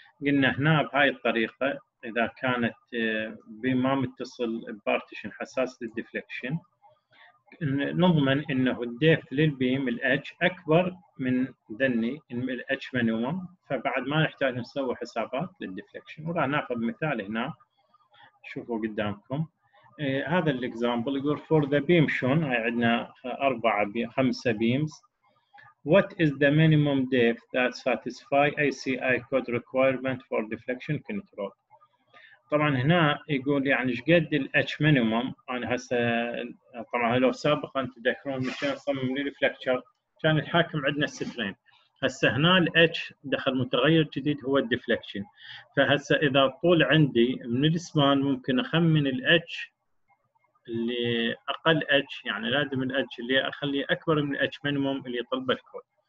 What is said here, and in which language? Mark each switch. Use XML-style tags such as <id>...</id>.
<ar>قلنا هنا بهاي الطريقة إذا كانت بما متصل بارتيشن حساس للديفليكشن نضمن إنه الديف للبيم الاتش أكبر من ذني الاتش مينيمم، فبعد ما نحتاج نسوي حسابات للديفليكشن. وراح ناخذ مثال هنا شوفوا قدامكم. هذا الإكزامبل يقول فور ذا بيم شون، هاي عندنا أربعة خمسة بيمز.</ar> <en>What is the minimum depth that satisfies ACI code requirement for deflection control؟</en> <ar>طبعا هنا يقول يعني ايش قد ال H minimum. انا هسه طبعا لو سابقا تذكرون مشان نصمم الريفلكتشر كان الحاكم عندنا السترين، هسه هنا ال H دخل متغير جديد هو الديفلكشن. فهسه اذا طول عندي من الاسمان ممكن اخمن ال H اللي اقل اتش، يعني لازم الاتش اللي اخليه اكبر من الاتش مينيموم اللي يطلبه الكود.</ar>